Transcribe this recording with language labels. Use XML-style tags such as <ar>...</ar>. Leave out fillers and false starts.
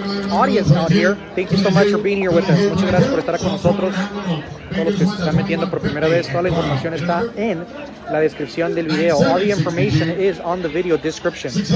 <en>Audience out here, thank you so much for being here with us.</en> <es>Muchas gracias por estar con nosotros. Todos los que se están metiendo por primera vez, toda la información está en la descripción del video.</es> <en>All the information is on the video description.</en>